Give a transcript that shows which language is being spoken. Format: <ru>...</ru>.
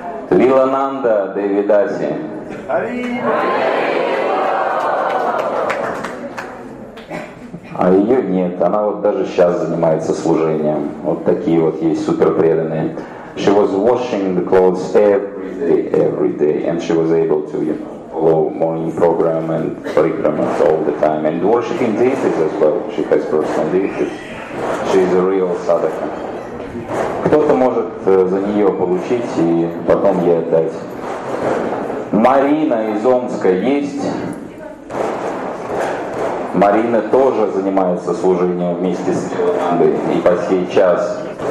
<ru>Лилананда. Ананда Девидаси. А ее нет, она вот даже сейчас занимается служением. Вот такие вот есть суперпреданные.</ru> <en>She was washing the clothes every day, and she was able to, you know, follow morning program and parikrama all the time, and worshiping deities as well. She has personal deities. She is a real sadhaka.</en> <ru>Кто-то может за нее получить и потом ей отдать. Марина из Омска есть. Марина тоже занимается служением вместе с Иоландой и по сей час.</ru>